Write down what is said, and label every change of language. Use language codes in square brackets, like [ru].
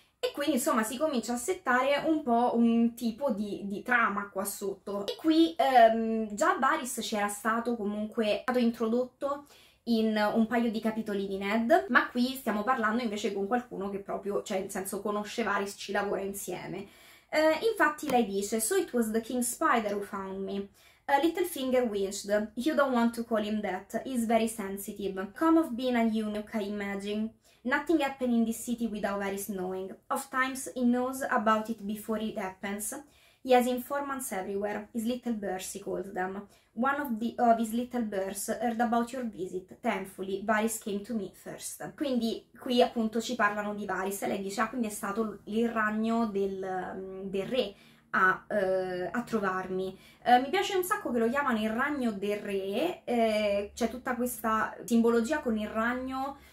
[it] E quindi insomma si comincia a settare un po' un tipo di trama qua sotto. E qui già Varys ci era stato comunque stato introdotto in un paio di capitoli di Ned, ma qui stiamo parlando invece con qualcuno che proprio, cioè nel senso conosce Varys, ci lavora insieme. Infatti lei dice: [en] "So it was the King Spider who found me. Littlefinger winced. You don't want to call him that. He's very sensitive. Come of being a eunuch, I imagine. Nothing happened in this city without Varys knowing. Oftentimes he knows about it before it happens. He has informants everywhere. His little birds, he calls them. One of his little birds heard about your visit. Thankfully, Varys came to me first." [it] Quindi qui appunto ci parlano di Varys e lei dice: "Ah, quindi è stato il ragno del re a trovarmi." Mi piace un sacco che lo chiamano il ragno del re, c'è tutta questa simbologia con il ragno.